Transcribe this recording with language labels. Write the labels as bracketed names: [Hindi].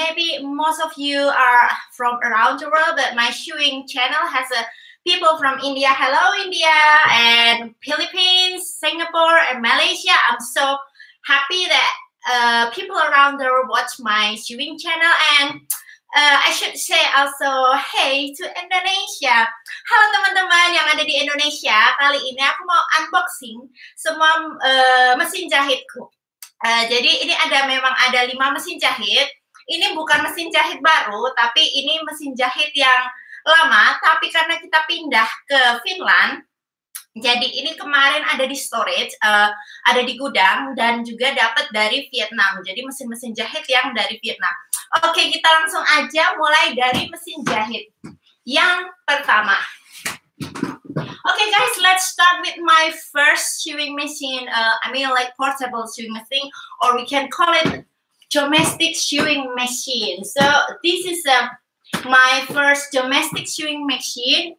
[English] Maybe most of you are from around the world, but my sewing channel has a people from India. Hello, India and Philippines, Singapore and Malaysia. I'm so happy that people around there watch my sewing channel. And I should say also hey to Indonesia. [Indonesian] Halo teman-teman yang ada di Indonesia. Kali ini aku mau unboxing semua mesin jahitku. Jadi ini ada memang ada 5 mesin jahit. Ini bukan mesin jahit baru, tapi ini mesin jahit yang lama, tapi karena kita pindah ke Finland, jadi ini kemarin ada di storage, ada di gudang, dan juga dapat dari Vietnam. Jadi mesin-mesin jahit yang dari Vietnam. Oke, kita langsung aja mulai dari mesin jahit yang pertama. [English] Oke, guys, let's start with my first sewing machine. Portable sewing machine, or we can call it domestic sewing machine. So this is a my first domestic sewing machine.